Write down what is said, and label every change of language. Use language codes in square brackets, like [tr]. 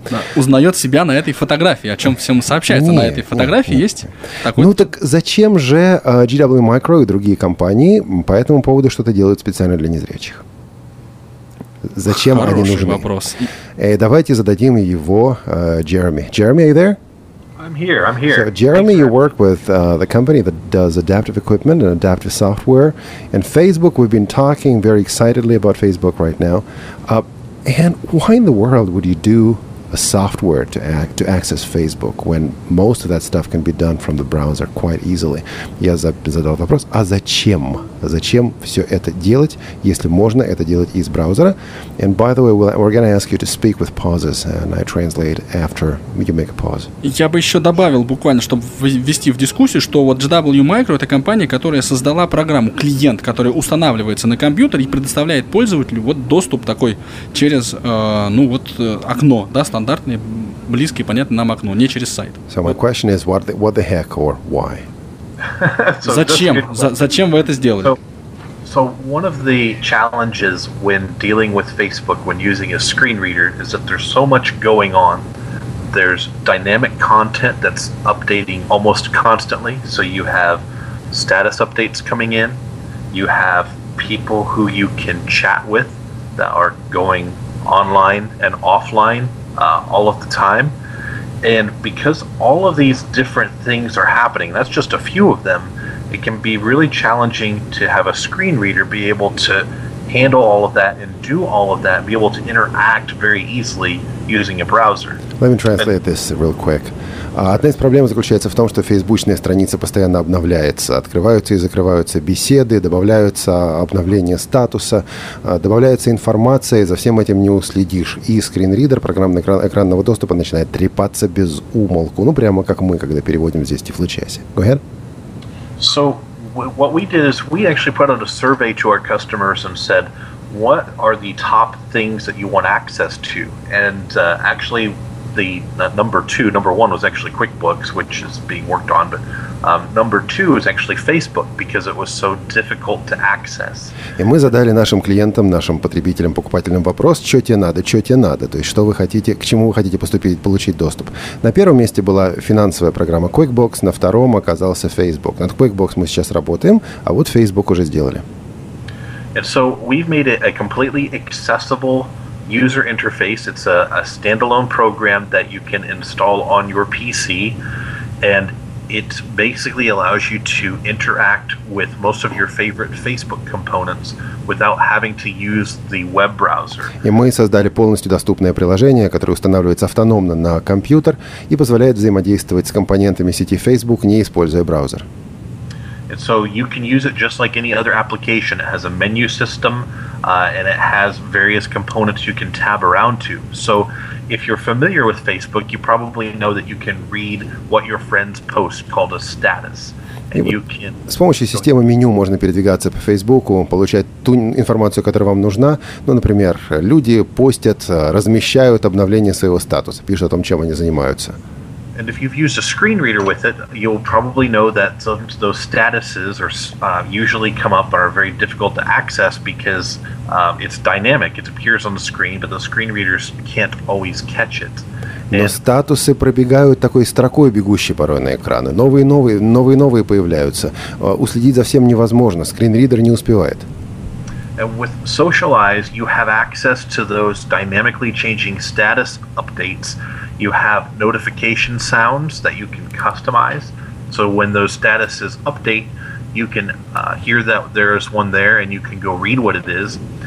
[ru] Да, узнает себя на этой фотографии, о чем всем сообщается. На этой фотографии есть такой... Ну так зачем же GW Micro и другие компании по этому поводу что-то делают специально для незрячих? Зачем Хороший они нужны? Вопрос. Давайте зададим его Джереми. [en] Джереми, are you there? I'm here. So, Jeremy, thanks, you work with the company that does adaptive equipment and adaptive software. And Facebook, we've been talking very excitedly about Facebook right now. And why in the world would you do a software to access Facebook when most of that stuff can be done from the browser quite easily? [ru] Я задал вопрос, а зачем? Зачем все это делать, если можно это делать из браузера? [en] And by the way, we're going to ask you to speak with pauses, and I translate after you make a pause. [ru] Я бы еще добавил буквально, чтобы ввести в дискуссию, что вот GW Micro — это компания, которая создала программу «Клиент», которая устанавливается на компьютер и предоставляет пользователю вот доступ такой через окно, да, стандартное, близкое, понятное нам окно, не через сайт. [en] So my question is, what the heck or why? [ru] Зачем? Зачем вы это сделали? [en] So one of the challenges when dealing with Facebook, when using a screen reader, is that there's so much going on. There's dynamic content that's updating almost constantly. So you have status updates coming in. You have people who you can chat with that are going online and offline all of the time. And because all of these different things are happening, that's just a few of them, it can be really challenging to have a screen reader be able to handle all of that and do all of that, be able to interact very easily using a browser. Let me translate this real quick. [ru] Одна из проблем заключается в том, что фейсбучная страница постоянно обновляется. Открываются и закрываются беседы, добавляются обновления статуса, добавляется информация, и за всем этим не уследишь. И скринридер экранного доступа начинает трепаться без умолку. Ну, прямо как мы, когда переводим здесь тифлочаси. [en] Go ahead. So, what we did is we actually put out a survey to our customers and said, what are the top things that you want access to? And actually... Number one was actually QuickBooks, which is being worked on, but number two is actually Facebook, because it was so difficult to access. [ru] И мы задали нашим клиентам, нашим потребителям, покупателям вопрос, что тебе надо, что тебе надо, то есть что вы хотите, к чему вы хотите поступить, получить доступ. На первом месте была финансовая программа QuickBooks, на втором оказался Facebook. Над QuickBooks мы сейчас работаем, а вот Facebook уже сделали. [en] And so we've made it a completely accessible user interface. It's a standalone program that you can install on your PC, and it basically allows you to interact with most of your favorite Facebook components without having to use the web browser. [ru] И мы создали полностью доступное приложение, которое устанавливается автономно на компьютер и позволяет взаимодействовать с компонентами сети Facebook, не используя браузер. [en] And so you can use it just like any other application. It has a menu system, and it has various components you can tab around to. So if you're familiar with Facebook, you probably know that you can read what your friends post, called a status. And you can... [ru] С помощью системы меню можно передвигаться по Фейсбуку, получать ту информацию, которая вам нужна. Ну, например, люди постят, размещают обновление своего статуса, пишут о том, чем они занимаются. [en] And if you've used a screen reader with it, you'll probably know that those statuses are usually come up and are very difficult to access because it's dynamic. It appears on the screen, but the screen readers can't always catch it. [ru] Но статусы пробегают такой строкой, бегущей порой на экраны. Новые появляются. Уследить за всем невозможно. Скринридер не успевает. [en] And with Social Eyes, you have access to those dynamically changing status updates. You have notification sounds that you can customize. So when those statuses update, you can hear that there's one there and you can go read what it is.